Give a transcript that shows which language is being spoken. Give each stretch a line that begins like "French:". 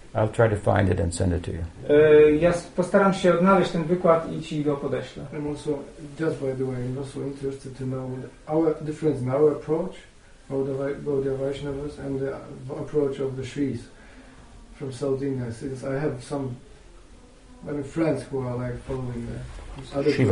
English: I'll try to find it and send it to you.
Polish: Ja postaram się odnaleźć ten wykład i ci go podeślę.
English: I'm also, just by the way, I'm also interested to know our difference in our approach about the Vaishnavas and the approach of the Shris from South India, since I have some many friends who are like following the other